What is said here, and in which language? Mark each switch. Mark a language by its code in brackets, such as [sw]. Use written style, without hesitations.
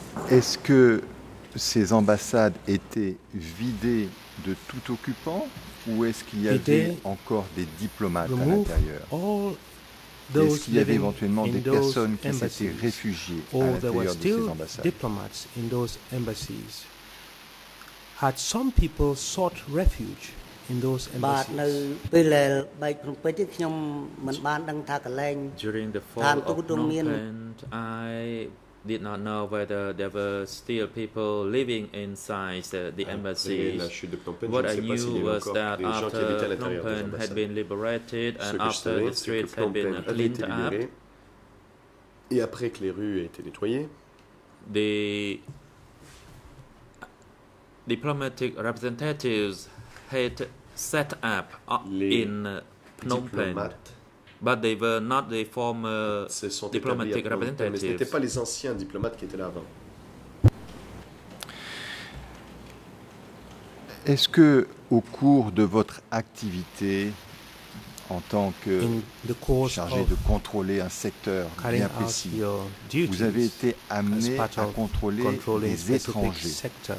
[fr] Est-ce que ces ambassades étaient vidées de tout occupant ou est-ce qu'il y avait encore des diplomates à l'intérieur? Est-ce qu'il y avait éventuellement des personnes qui s'étaient réfugiées à l'intérieur de ces ambassades? [en] Diplomats in those embassies. Had some people sought refuge in those embassies? During the fall of Phnom Penh, I did not know whether there were still people living inside the embassies. What I knew was that after Phnom Penh had been liberated and after the streets had been cleaned up, [fr] et après que les rues étaient nettoyées, [en] the diplomatic representatives had set up in Phnom Penh. But they were not the former diplomatic representatives. [fr] Mais ce n'étaient pas les anciens diplomates qui étaient là avant. Est-ce que, au cours de votre activité en tant que chargé de contrôler un secteur bien précis, vous avez été amené à contrôler les étrangers?